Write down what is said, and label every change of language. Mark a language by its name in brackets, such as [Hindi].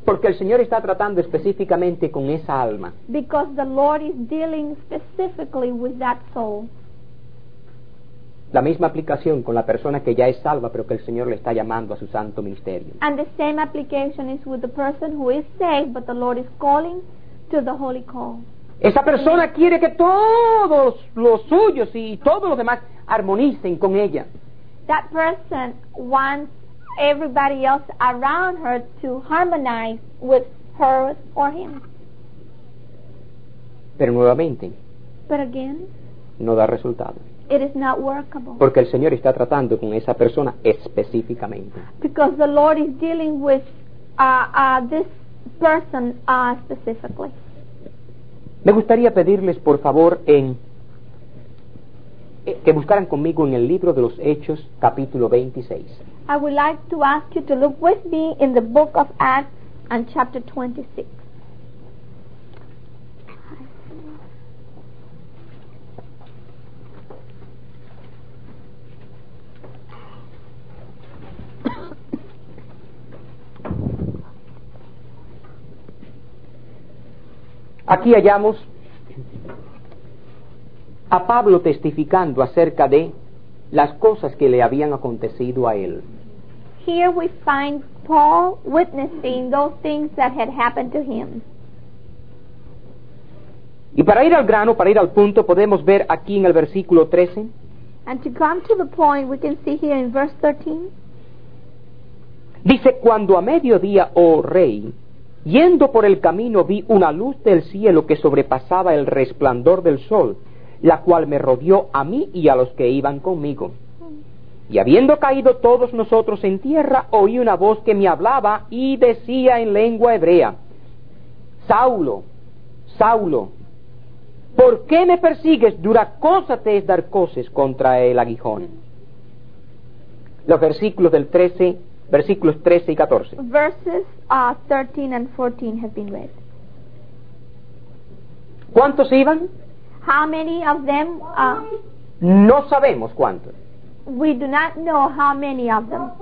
[Spanish] Porque el Señor está tratando específicamente con esa alma. [English] Because the Lord is dealing specifically with that soul. [Spanish] La misma aplicación con la persona que ya es salva, pero que el Señor le está llamando a su santo ministerio. [English] And the same application is with the person who is saved, but the Lord is calling to the holy call. [Spanish] Esa persona quiere que todos los suyos y todos los demás armonicen con ella. [English] That person wants everybody else around her to harmonize with her or him. [Spanish] Pero nuevamente. [English] But again. [Spanish] No da resultado. [English] It is not workable. [Spanish] Porque el Señor está tratando con esa persona específicamente. [English] Because the Lord is dealing with this person specifically. [Spanish] Me gustaría pedirles por favor en que buscaran conmigo en el libro de los Hechos, capítulo 26. [English] I would like to ask you to look with me in the book of Acts and chapter 26. [Spanish] Aquí hallamos a Pablo testificando acerca de las cosas que le habían acontecido a él. [English] Here we find Paul witnessing those things that had happened to him. [Spanish] Y para ir al grano, para ir al punto, podemos ver aquí en el versículo 13. [English] And to come to the point, we can see here in verse 13. [Spanish] Dice, cuando a mediodía, oh rey, yendo por el camino vi una luz del cielo que sobrepasaba el resplandor del sol, la cual me rodeó a mí y a los que iban conmigo. Y habiendo caído todos nosotros en tierra, oí una voz que me hablaba y decía en lengua hebrea, Saulo, Saulo, ¿por qué me persigues? Dura cosa te es dar coces contra el aguijón. Los versículos del 13, versículos 13 y 14. [English] Verses 13 and 14 have been read. [Spanish] ¿Cuántos iban? [English] How many of them? [Spanish] No sabemos cuántos. [English] We do not know how many of them.